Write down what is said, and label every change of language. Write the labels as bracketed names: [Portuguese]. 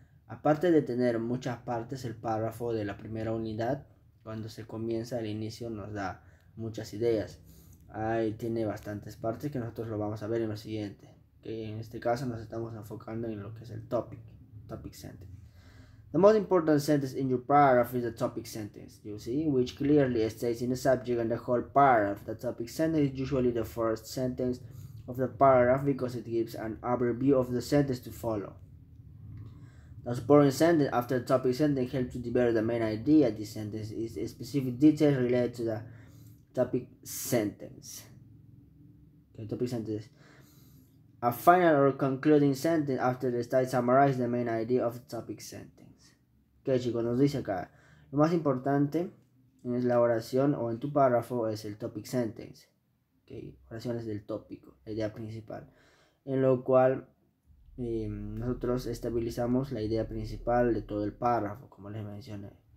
[Spanish] Aparte de tener muchas partes, el párrafo de la primera unidad, cuando se comienza al inicio, nos da muchas ideas. Ahí tiene bastantes partes que nosotros lo vamos a ver en lo siguiente. Okay, en este caso nos estamos enfocando en lo que es el topic. [English] Topic sentence. The most important sentence in your paragraph is the topic sentence, you see, which clearly states in the subject and the whole paragraph. The topic sentence is usually the first sentence of the paragraph because it gives an overview of the sentence to follow. The supporting sentence after the topic sentence helps to develop the main idea. This sentence is a specific detail related to the topic sentence. Okay, topic sentence. A final or concluding sentence after the study summarizes the main idea of the topic sentence. [Spanish] Ok, chicos, nos dice acá. Lo más importante en la oración o en tu párrafo es el topic sentence. Ok, oraciones del tópico, la idea principal. En lo cual nosotros estabilizamos la idea principal de todo el párrafo, como les mencioné.